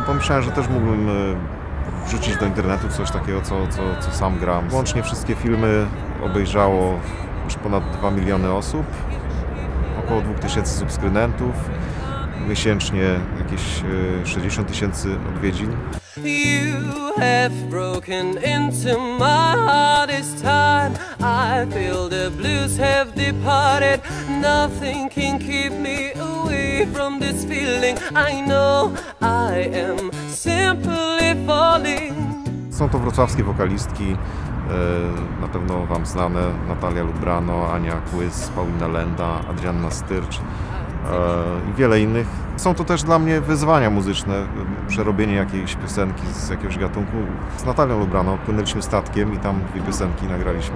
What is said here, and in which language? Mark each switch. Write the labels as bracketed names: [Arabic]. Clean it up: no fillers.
[Polish] Pomyślałem, że też mógłbym wrzucić do internetu coś takiego, co sam gram. Łącznie wszystkie filmy obejrzało już ponad 2 miliony osób, około 2000 subskrybentów, miesięcznie jakieś 60 tysięcy odwiedzin. [English] You have broken into my heart this time. I feel the blues have departed. Nothing can keep me away from this feeling. I know I am simply falling. [Polish] Są to wrocławskie wokalistki, na pewno wam znane: Natalia Lubrano, Ania Kłys, Paulina Lenda, Adrianna Styrcz i wiele innych. Są to też dla mnie wyzwania muzyczne, przerobienie jakiejś piosenki z jakiegoś gatunku. Z Natalią Lubrano płynęliśmy statkiem i tam dwie piosenki nagraliśmy.